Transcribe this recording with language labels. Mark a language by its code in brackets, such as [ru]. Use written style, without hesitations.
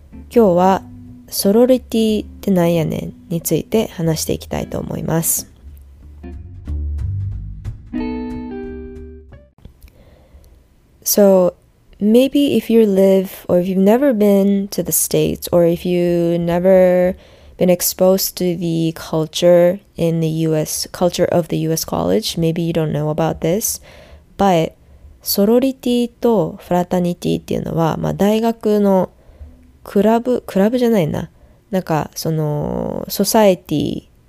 [ja] 今日は、ソロリティってなんやねんについて話していきたいと思います。 [en] So, maybe if you live or if you've never been to the States or if you've never been exposed to the culture in the US, culture of the US college, maybe you don't know about this. [ja] But, ソロリティとフラタニティっていうのは、まあ、大学のクラブじゃないな。なんか、その、ソサエティ。